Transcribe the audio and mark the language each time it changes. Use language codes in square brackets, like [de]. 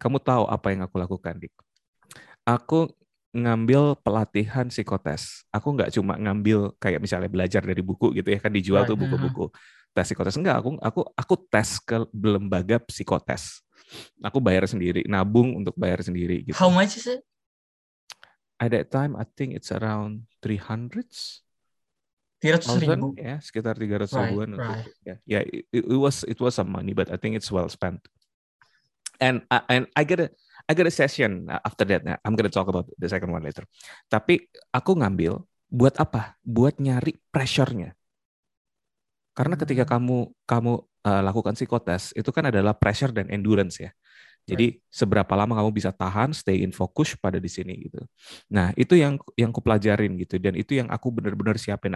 [id] Kamu tahu apa yang aku lakukan, Dik? Aku ngambil pelatihan psikotes. Aku nggak cuma ngambil kayak misalnya belajar dari buku gitu ya, kan dijual tuh buku-buku tes psikotes. Enggak, aku tes ke lembaga psikotes. Aku bayar sendiri, nabung untuk bayar sendiri gitu. [en] How much is it? At that time, I think it's around 300. 300,000, ya, sekitar 300,000-an untuk, ya, it was some money, but I think it's well spent. And I get a session after that. Now. I'm gonna talk about the second one later. [id] Tapi aku ngambil buat apa? Buat nyari pressure-nya. Karena ketika kamu lakukan psikotes, itu kan adalah pressure dan endurance ya. Jadi seberapa lama kamu bisa tahan, stay in focus pada di sini gitu. Nah itu yang aku pelajarin gitu, dan itu yang aku benar-benar siapin.